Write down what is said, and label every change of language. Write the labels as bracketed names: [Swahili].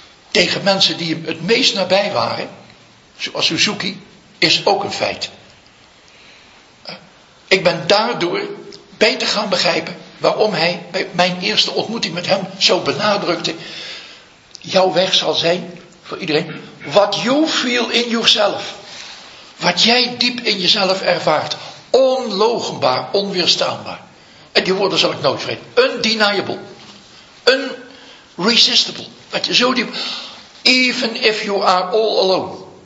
[Dutch] Tegen mensen die hem het meest nabij waren. Zoals Suzuki. Is ook een feit. Ik ben daardoor beter gaan begrijpen waarom hij bij mijn eerste ontmoeting met hem zo benadrukte. Jouw weg zal zijn voor iedereen. [English] What you feel in yourself. [Dutch] Wat jij diep in jezelf ervaart. Onlogenbaar, onweerstaanbaar. En die woorden zal ik nooit vergeten. [English] Undeniable. Unresistible. [Dutch] Wat je zo diep. [English] Even if you are all alone.